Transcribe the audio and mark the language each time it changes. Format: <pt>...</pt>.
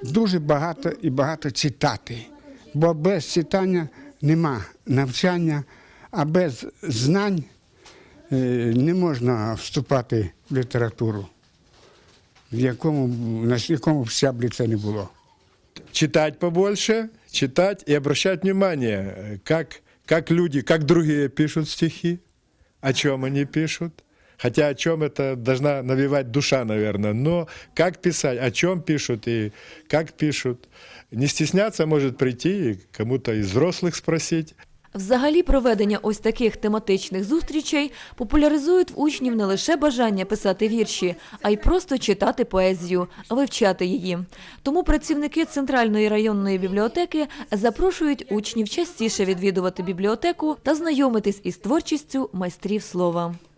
<uk>Дуже багато і багато читати, бо без читання нема навчання, а без знань не можна вступати в літературу, на якому б щаблі це не було. Читати побільше, читати і</uk> <ru>обращати внимание,</ru> <uk>як люди, як інші пишуть стихи, о чому вони пишуть.</uk> <ru>Хотя о чем это должна навевать душа, наверное, но как писать, о чем пишут и как пишут, не стесняться может прийти и кому-то из взрослых спросить.</ru> <uk>Взагалі проведення ось таких тематичних зустрічей популяризують в учнів не лише бажання писати вірші, а й просто читати поезію, вивчати її. Тому працівники Центральної районної бібліотеки запрошують учнів частіше відвідувати бібліотеку та знайомитись із творчістю майстрів слова.</uk>